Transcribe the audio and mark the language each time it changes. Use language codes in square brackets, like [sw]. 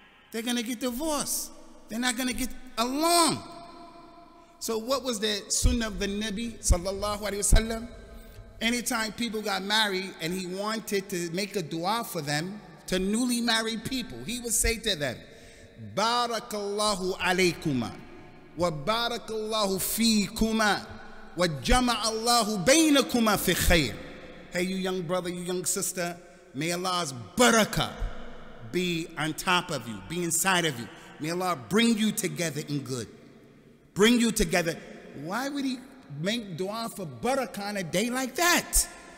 [en] They're gonna get divorced. They're not gonna get along. So what was the sunnah of the Nabi, sallallahu alayhi wa sallam? Anytime people got married and he wanted to make a dua for them, to newly married people, he would say to them, [ar] Barakallahu alaykuma. وبارك الله فيكما وجمع الله بينكما في خير. [en] Hey, you young brother, you young sister, may Allah's barakah be on top of you, be inside of you. May Allah bring you together in good. Bring you together. Why would he make dua for barakah on a day like that?